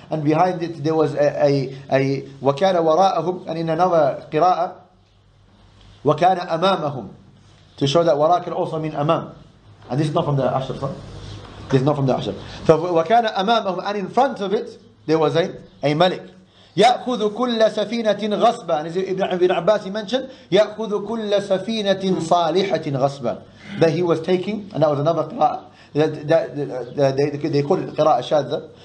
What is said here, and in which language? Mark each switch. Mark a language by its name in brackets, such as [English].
[English] And behind it there was a [Arabic] وَكَانَ وَرَاءَهُمْ, [English] and in another qira'a [Arabic] وَكَانَ أَمَامَهُمْ, [English] to show that وَرَاء can also mean أَمَام, and this is not from the Ashraf, huh? This is not from the Ashraf. So [Arabic] وَكَانَ أَمَامَهُمْ, [English] and in front of it there was a malik. [Arabic] يَأْخُذُ كُلَّ سَفِينَةٍ غَصْبًا. [English] As Ibn Abbas mentioned, [Arabic] يَأْخُذُ كُلَّ سَفِينَةٍ صَالِحَةٍ غَصْبًا. [English] That he was taking, and that was another qira'ah, that they call it qira'ah shadha.